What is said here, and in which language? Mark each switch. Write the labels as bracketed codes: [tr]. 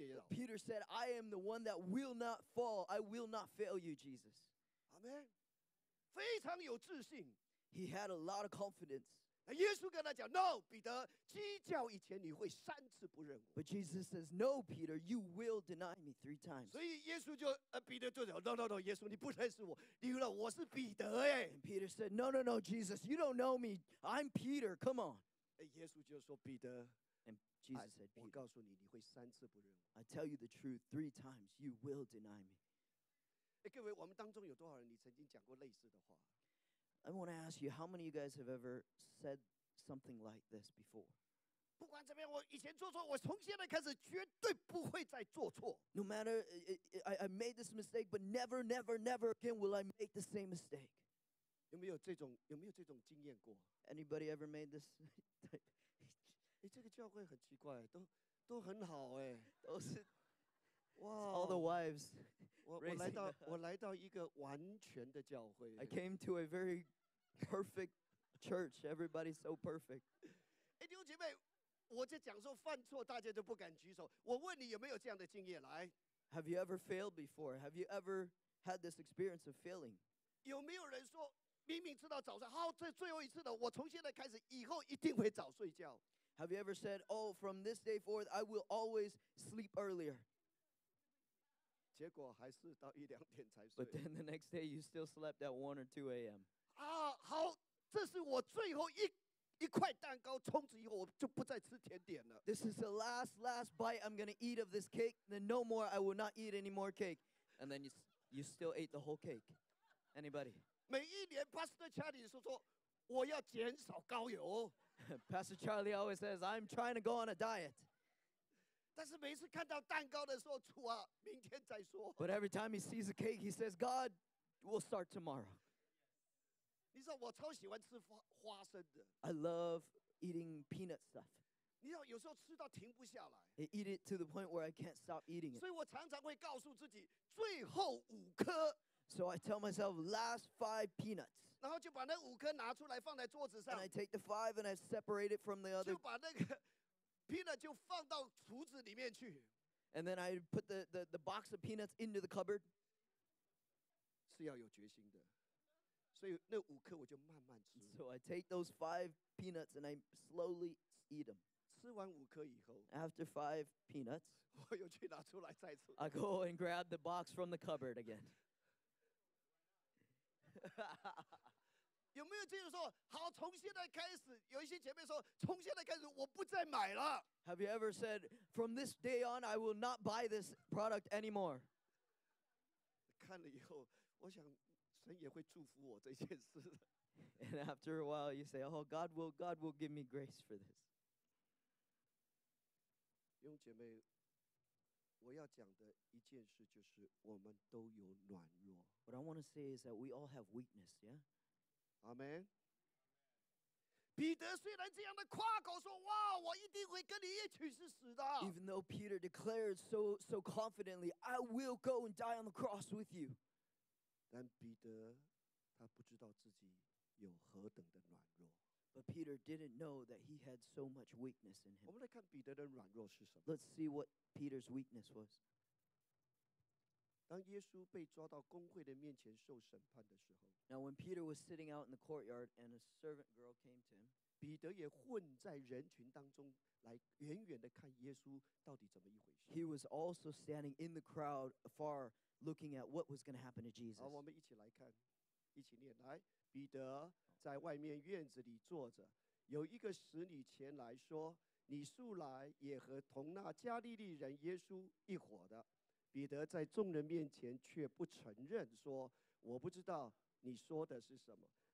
[en] Peter said, I am the one that will not fall. I will not fail you, Jesus. [zh] Amen. 非常有自信。 [en] He had a lot of confidence. [zh] 耶稣跟他讲 [en] No, Peter, [zh] 鸡叫以前你会三次不认我。 [en] But Jesus says, No, Peter, you will deny me three times. [zh] 所以耶稣就彼得就讲 [en] No, [zh] 耶稣你不认识我，你知道我是彼得耶。 [en] And Peter said, No, Jesus, you don't know me. I'm Peter. Come on. [zh] 耶稣就说彼得。 [en] And Jesus said, Peter, [zh] 我告诉你，你会三次不认我。 [en] I tell you the truth, three times you will deny me. [zh] 各位，我们当中有多少人你曾经讲过类似的话？ [en] I want to ask you, how many of you guys have ever said something like this before? [zh] 不管怎么样，我以前做错，我从现在开始绝对不会再做错。 [en] No matter, I made this mistake, but never, never, never again will I make the same mistake. [zh] 有没有这种经验过 [en] ？Anybody ever made this? [zh] 哎，这个教会很奇怪，都很好哎，都是哇 [en] ！All the wives. [zh] 我来到一个完全的教会。 [en] I came to a very perfect church. Everybody's so perfect. [zh] 哎，弟兄姐妹，我在讲说犯错，大家都不敢举手。我问你有没有这样的经验？来 [en] ，Have you ever failed before? Have you ever had this experience of failing? [zh] 有没有人说？明明知道早睡，好，这最后一次的，我从现在开始，以后一定会早睡觉。 [en] Have you ever said, "Oh, from this day forth, I will always sleep earlier"? [zh] 结果还是到一两点才睡。 [en] But then the next day, you still slept at 1 or 2 a.m. [zh] 啊，好，这是我最后一块蛋糕，从此以后我就不再吃甜点了。 [en] This is the last bite I'm gonna eat of this cake. Then no more. I will not eat any more cake. And then you still ate the whole cake. Anybody? [zh] 每一年 Pastor Charlie 说我要减少高油。 [en] Pastor Charlie always says, I'm trying to go on a diet. [zh] 但是每次看到蛋糕的时候，主啊，明天再说。 [en] But every time he sees a cake, he says, God, we'll start tomorrow. [zh] 你知道我超喜欢吃花生的。 [en] I love eating peanut stuff. [zh] 你知道有时候吃到停不下来。 [en] I eat it to the point where I can't stop eating it. [zh] 所以我常常会告诉自己，最后五颗。 [en] So I tell myself, last five peanuts. [zh] 然后就把那五颗拿出来放在桌子上。 [en] And I take the five and I separate it from the other. [zh] 就把那个 peanut 就放到橱子里面去。 [en] And then I put the box of peanuts into the cupboard. [zh] 是要有决心的。所以那五颗我就慢慢吃。 [en] So I take those five peanuts and I slowly eat them. [zh] 吃完五颗以后。 [en] After five peanuts. [zh] 我又去拿出来再吃。 [en] I go and grab the box from the cupboard again. [zh] 有没有这样说？好，从现在开始，有一些姐妹说，从现在开始，我不再买了。 [en] Have you ever said, from this day on, I will not buy this product anymore? [zh] 看了以后，我想神也会祝福我这件事。 [en] And after a while, you say, oh, God will give me grace for this. [zh] 弟兄姐妹，我要讲的一件事就是，我们都有软弱。 [en] What I want to say is that we all have weakness, yeah? Amen. [zh] 彼得虽然这样的夸口说，哇，我一定会跟你一起去死的。 [en] Even though Peter declared so confidently, I will go and die on the cross with you. [zh] 但彼得他不知道自己有何等的软弱。 [en] But Peter didn't know that he had so much weakness in him. [zh] 我们来看彼得的软弱是什么。 [en] Let's see what Peter's weakness was. [zh] 当耶稣被抓到公会的面前受审判的时候 [en] ，Now when Peter was sitting out in the courtyard and a servant girl came to him， [zh] 彼得也混在人群当中来远远的看耶稣到底怎么一回事。 [en] He was also standing in the crowd afar, looking at what was going to happen to Jesus。 [zh] 好，我们一起来看，一起念来。彼得在外面院子里坐着，有一个使女前来说：“你素来也和同那加利利人耶稣一伙的。” 彼得在众人面前却不承认，说：“我不知道你说的是什么。”